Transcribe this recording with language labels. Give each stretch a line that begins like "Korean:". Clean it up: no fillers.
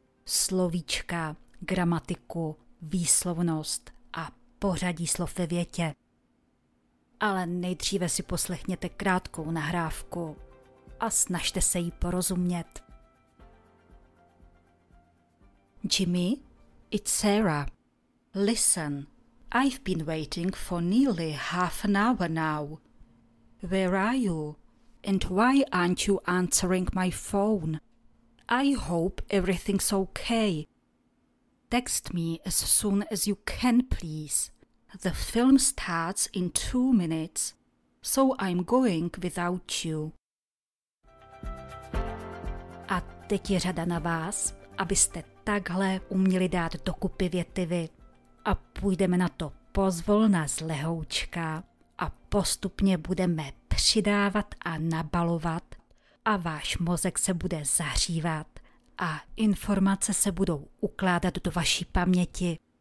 Czech: Slovíčka, gramatiku, výslovnost a pořadí slov ve větě. Ale nejdříve si poslechněte krátkou nahrávku a snažte se jí porozumět.
English: Jimmy, it's Sarah. Listen, I've been waiting for nearly half an hour now. Where are you? And why aren't you answering my phone? I hope everything's okay. Text me as soon as you can, please. The film starts in 2 minutes, so I'm going without you.
Czech: A teď je řada na vás, abyste takhle uměli dát dokupy věty vy. A půjdeme na to pozvolna z lehoučka a postupně budeme přidávat a nabalovat a váš mozek se bude zahřívat a informace se budou ukládat do vaší paměti.